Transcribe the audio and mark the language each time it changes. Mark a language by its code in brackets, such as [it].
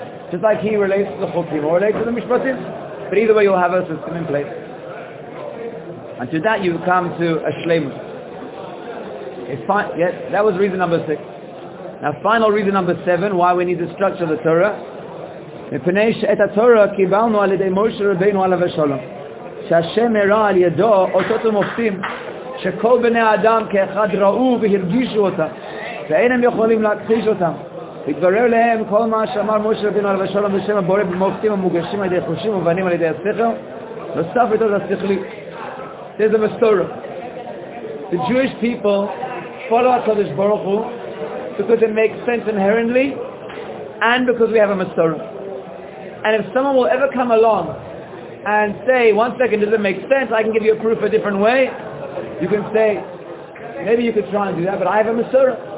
[en] Just like he relates to the Chukim or relates to the Mishpatim. But either way, you'll have a system in place. And to that, you've come to a Shlemus. Yes, that was reason number 6. Now, final reason number 7, why we need to structure the Torah. [he] מפני שאת התורה קיבלנו על ידי משה רבינו עליו השלום, שהשם הראה על ידו אותות ומופתים, שכל בני האדם כאחד ראו והרגישו אותם, ואין הם יכולים להכחיש אותם. התברר להם כל מה שאמר משה רבינו עליו השלום בשם הבורא במופתים המוגשים על ידי חושים ובנים על ידי השכל, נוסף את זה השכלי. [en] There's a mystery. The Jewish people follow HaKadosh Baruch Hu because it makes sense inherently and because we have a mystery. And if someone will ever come along and say, one second, does it make sense? I can give you a proof a different way. You can say, maybe you could try and do that, but I have a Masorah.